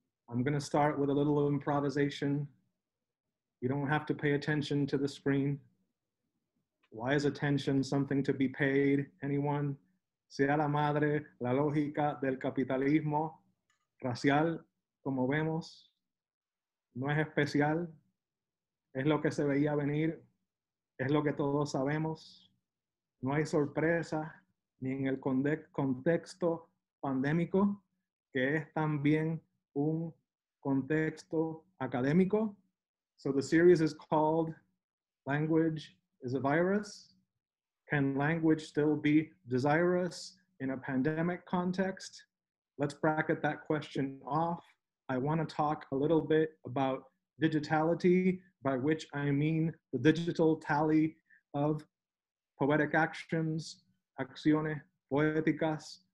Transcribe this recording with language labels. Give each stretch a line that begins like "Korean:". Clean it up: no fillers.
English: I'm going to start with a little improvisation. You don't have to pay attention to the screen. Why is attention something to be paid, anyone?
Spanish: Sea la madre, la lógica del capitalismo racial, como vemos, no es especial, es lo que se veía venir, es lo que todos sabemos, no hay sorpresa ni en el contexto pandémico, que es también un contexto académico.
English: So the series is called Language is a Virus. Can language still be desirous in a pandemic context? Let's bracket that question off. I want to talk a little bit about digitality, by which I mean the digital tally of poetic actions,
Spanish: acciones poéticas.